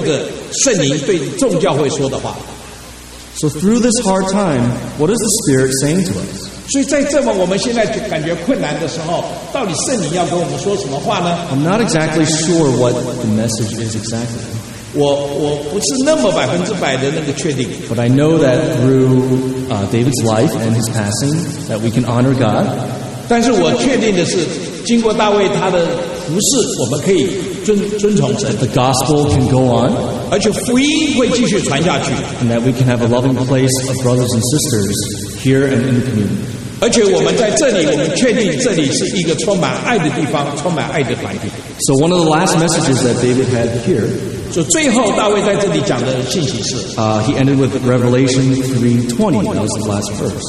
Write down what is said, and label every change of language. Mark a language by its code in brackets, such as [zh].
[zh] 他在启示录中对七个教会讲到每一次都说，这是神要对着圣灵对众教会说的话。 [en] So through this hard time, what is the Spirit saying to us? [zh] 所以在这么我们现在感觉困难的时候，到底圣灵要跟我们说什么话呢？ [en] I'm not exactly sure what the message is exactly. [zh] 我不是那么100%的那个确定。 [en] But I know that through David's life and his passing, that we can honor God. [zh] 但是我确定的是，经过大卫他的服事，我们可以。 [en] The gospel can go on, and that we can have a loving place of brothers and sisters here and in the community. So one of the last messages that David had here, he ended with Revelation 3:20. That was the last verse.